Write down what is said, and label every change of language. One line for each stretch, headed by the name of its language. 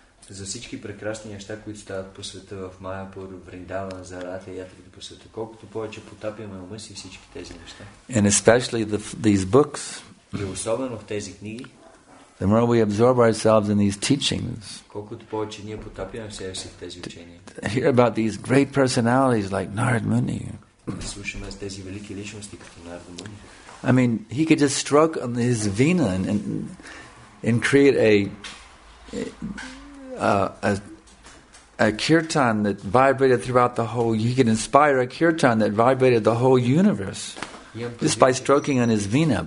Bulgarian: за всички прекрасни неща, които стават по света в Майапур, Вриндаван, за Ратха Ятри по света, колкото повече потапяме ума си всички тези неща.
English: And especially these books,
Bulgarian: и особено в тези книги,
English: the more we absorb ourselves in these teachings,
Bulgarian: колкото повече ние потапяме себе си в тези учения,
English: hear about these great personalities like Narada Muni,
Bulgarian: слушаме за тези велики личности като Narada Muni.
English: I mean, he could just stroke on his vena and create a kirtan that vibrated throughout the whole, he can inspire a kirtan that vibrated the whole universe just by stroking on his vena.